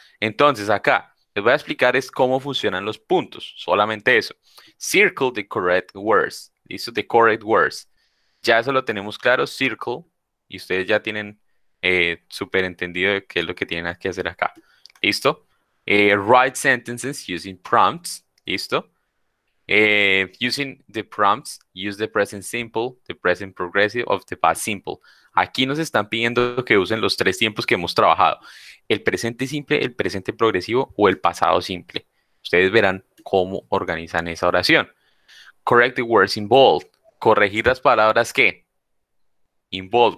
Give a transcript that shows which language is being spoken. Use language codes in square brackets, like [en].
[es] Entonces, acá les voy a explicar es cómo funcionan los puntos, solamente eso. [en] Circle the correct words, [es] ¿listo? [en] The correct words. [es] Ya eso lo tenemos claro, circle, y ustedes ya tienen súper entendido de qué es lo que tienen que hacer acá, ¿listo? [en] Write sentences using prompts, [es] ¿listo? [en] Using the prompts, use the present simple, the present progressive, of the past simple. [es] Aquí nos están pidiendo que usen los tres tiempos que hemos trabajado. El presente simple, el presente progresivo o el pasado simple. Ustedes verán cómo organizan esa oración. [en] Correct the words in bold. [es] Corregir las palabras ¿qué? [en] In bold.